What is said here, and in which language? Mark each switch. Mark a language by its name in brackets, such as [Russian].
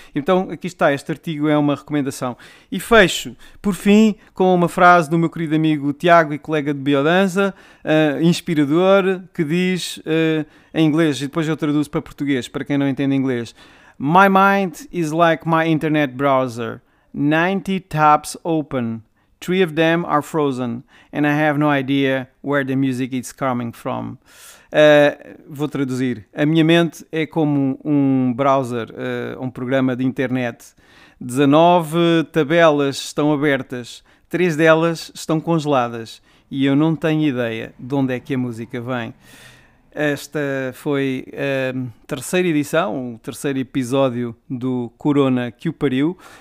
[Portuguese] Então, aqui está, este artigo é uma recomendação. E fecho, por fim, com uma frase do meu querido amigo Tiago e colega de Biodanza, inspirador, que diz, em inglês, e depois eu traduzo para português, para quem não entende inglês: [English] "My mind is like my internet browser. 90 tabs open. 3 of them are frozen. And I have no idea where the music is coming from." [Portuguese] Vou traduzir. A minha mente é como um browser, um programa de internet. 19 tabelas estão abertas. 3 delas estão congeladas. E eu não tenho ideia de onde é que a música vem. Esta foi a terceira edição, o terceiro episódio do Corona que o Pariu.